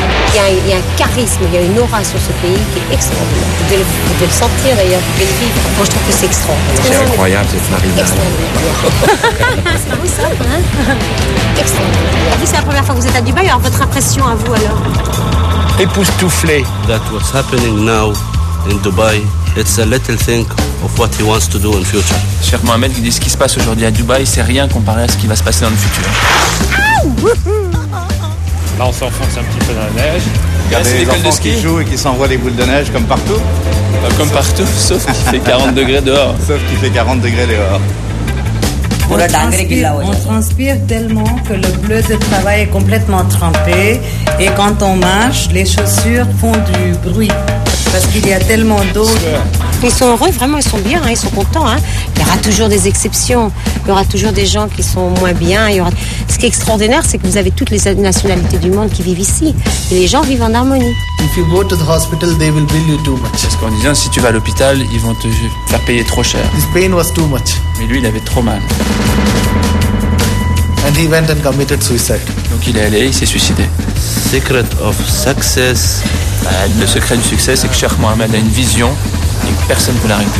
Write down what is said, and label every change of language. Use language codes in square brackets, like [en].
[fr] Il y a un charisme, il y a une aura sur ce pays qui est extraordinaire. Vous devez le sentir d'ailleurs, vous devez le vivre. Moi je trouve que c'est extraordinaire. C'est incroyable cette marine. Extraordinaire. C'est pas vous ça, hein? Extraordinaire. Vous, c'est la première fois que vous êtes à Dubaï, alors votre impression à vous alors? Époustouflé. [en] That what's happening now in Dubai, it's a little thing of what he wants to do in future. [fr] Cher Mohamed, il dit ce qui se passe aujourd'hui à Dubaï, c'est rien comparé à ce qui va se passer dans le futur. Là, on s'enfonce un petit peu dans la neige. Regardez les enfants qui jouent et qui s'envoient des boules de neige comme partout. Comme partout, sauf qu'il fait 40 degrés dehors. Sauf qu'il fait 40 degrés dehors. On transpire tellement que le bleu de travail est complètement trempé. Et quand on marche, les chaussures font du bruit. Parce qu'il y a tellement d'eau. Ils sont heureux, vraiment, ils sont bien, hein, ils sont contents. Hein. Il y aura toujours des exceptions. Il y aura toujours des gens qui sont moins bien. Il y aura... Ce qui est extraordinaire, c'est que vous avez toutes les nationalités du monde qui vivent ici. Et les gens vivent en harmonie. [en] If you go to the hospital, they will bill you too much. [fr] Parce qu'en disant, si tu vas à l'hôpital, ils vont te faire payer trop cher. [en] His pain was too much. [fr] Mais lui, il avait trop mal. [en] And he went and committed suicide. [fr] Donc il est allé, il s'est suicidé. [en] Secret of success. [fr] Le secret du succès, c'est que Cheikh Mohammed a une vision et que personne ne peut l'arrêter.